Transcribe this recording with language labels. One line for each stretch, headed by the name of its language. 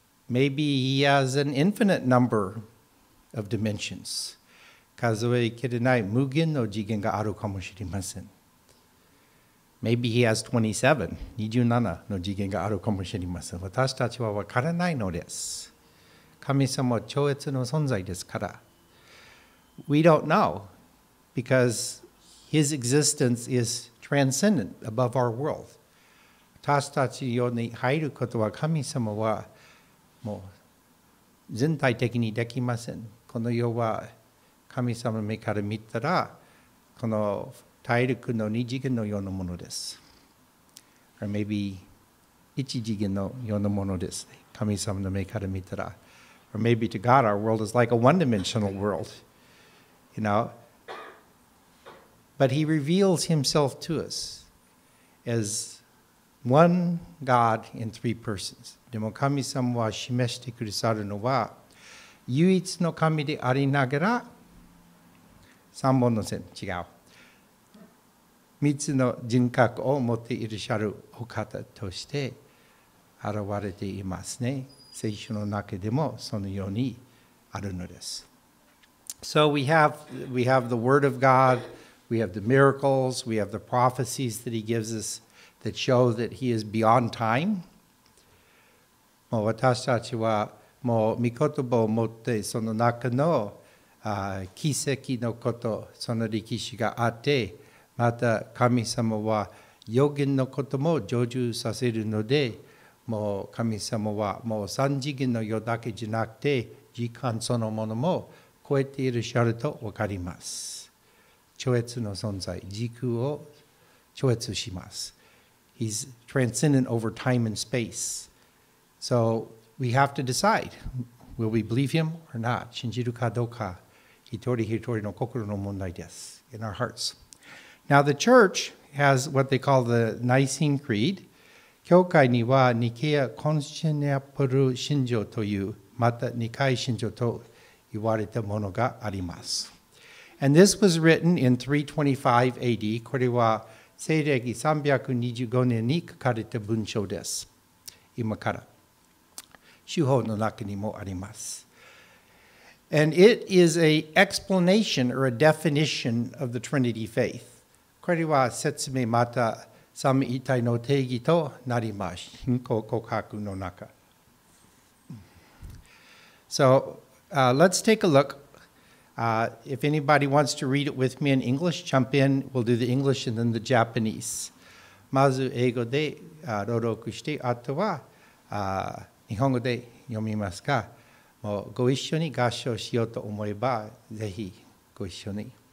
English: Maybe he has an infinite number of dimensions.
Japanese: 数えきれない無限の次元があるかもしれません。
English: Maybe he has 27
Japanese: の次元があるかもしれません。私たちはわからないのです。神様は超越の存在ですから。
English: We don't know because his existence is transcendent above our world.
Japanese: 私たちに入ることは神様はもう全体的にできません。この世は神様の目から見たらこの大陸の二次元のようなものです。
English: Or maybe
Japanese: 一次元のようなものです。神様の目から見たら。
English: Or maybe to God our world is like a one-dimensional world. You know? But he reveals himself to us as one God in three persons.
Japanese: でも神様は示してくださるのは唯一の神でありながら三本の線、違う。三つの人格を持っていらっしゃるお方として現れていますね。聖書の中でもそのようにあるのです。
English: So we have the Word of God, we have the miracles, we have the prophecies that he gives us that show that he is beyond time.
Japanese: もう私たちはもう御言葉を持ってその中の奇跡のこと、その歴史があって、また神様は予言のことも成就させるので、もう神様はもう三次元の世だけじゃなくて、時間そのものも超えていらっしゃると分かります。超越の存在、時空を超越します。
English: He's transcendent over time and space. So we have to decide, will we believe him or not?
Japanese: 信じるかどうか。一人一人の心の問題です。
English: In our hearts. Now the church has what they call the Nicene Creed.
Japanese: 教会にはニケア・コンシネアプル信条という、また二階信条と言われたものがあります。
English: And this was written in 325 AD.
Japanese: これは西暦325年に書かれた文章です。今から。手法の中にもあります。
English: And it is an explanation or a definition of the Trinity faith.
Japanese: これは説明また三位一体の定義となります。信仰告白の中。
English: So, let's take a look. If anybody wants to read it with me in English, jump in. We'll do the English and then the Japanese.
Japanese: まず英語で朗読して、あとは日本語で読みますか。もうご一緒に合唱しようと思えばぜひご一緒に。